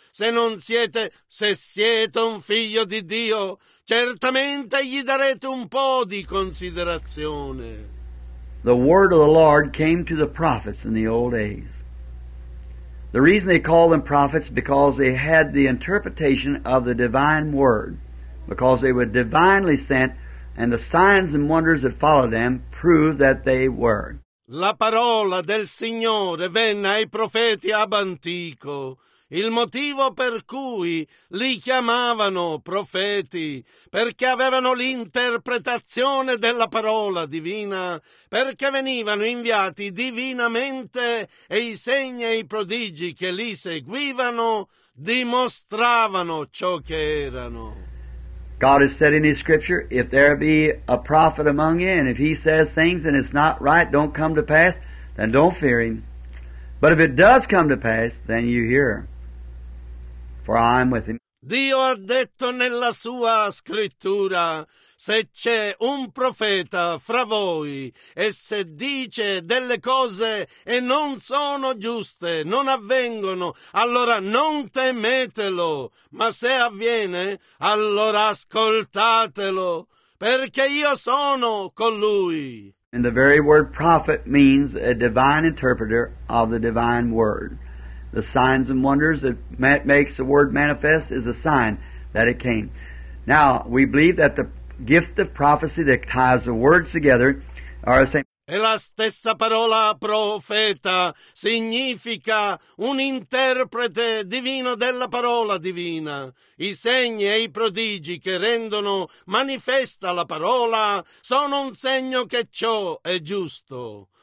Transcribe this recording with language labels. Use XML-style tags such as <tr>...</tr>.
<it>Se siete un figlio di Dio, certamente gli darete un po' di considerazione.</it> <en>The word of the Lord came to the prophets in the old days. The reason they call them prophets because they had the interpretation of the divine word, because they were divinely sent, and the signs and wonders that followed them proved that they were.</en> <it>La parola del Signore venne ai profeti ab antico. Il motivo per cui li chiamavano profeti, perché avevano l'interpretazione della parola divina, perché venivano inviati divinamente e i segni e i prodigi che li seguivano dimostravano ciò che erano.</it> <en>God has said in His Scripture, if there be a prophet among you, and if he says things and it's not right, don't come to pass, then don't fear him. But if it does come to pass, then you hear him. For I'm with him.</en> <it>Dio ha detto nella sua scrittura, se c'è un profeta fra voi e se dice delle cose e non sono giuste, non avvengono, allora non temetelo, ma se avviene, allora ascoltatelo, perché io sono con lui.</it> <en>And the very word prophet means a divine interpreter of the divine word. The signs and wonders that makes the word manifest is a sign that it came. Now, we believe that the gift of prophecy that ties the words together are the same.</en> <it>E la stessa parola profeta significa un interprete divino della parola divina. I segni e i prodigi che rendono manifesta la parola sono un segno che ciò è giusto.</it>